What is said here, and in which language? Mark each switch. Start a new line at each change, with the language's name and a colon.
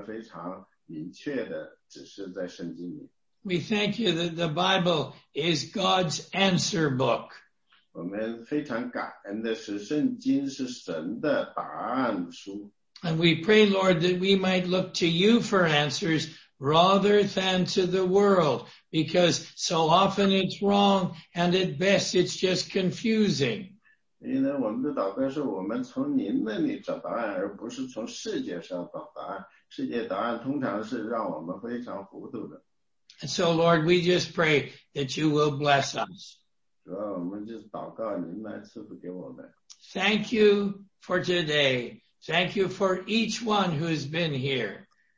Chinese: 主啊，我们要感谢您，您是一个好的神，因为您给我们非常明确的指示在圣经里。
English: We thank you that the Bible is God's answer book. And we pray, Lord, that we might look to you for answers rather than to the world, because so often it's wrong, and at best it's just confusing. And so, Lord, we just pray that you will bless us.
Chinese: 主要我们就祷告您来赐福给我们。
English: Thank you for today. Thank you for each one who's been here.